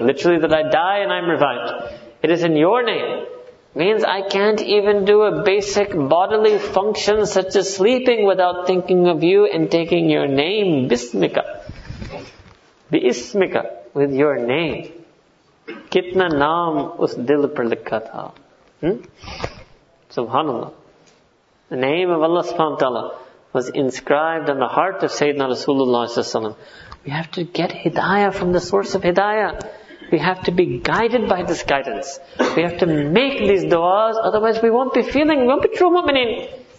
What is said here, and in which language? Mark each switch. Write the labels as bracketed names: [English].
[English] Literally that I die and I'm revived. It is in your name. Means I can't even do a basic bodily function such as sleeping without thinking of you and taking your name, Bismika. Bismika, with your name. [Urdu] کتنا نام اس دل پر لکھا تھا۔ [Arabic] Subhanallah. [English] The name of Allah subhanahu wa ta'ala was inscribed on the heart of Sayyidina Rasulullah. We have to get hidayah from the source of hidayah. We have to be guided by this guidance. We have to make these du'as, otherwise we won't be feeling, we won't be true mu'mineen.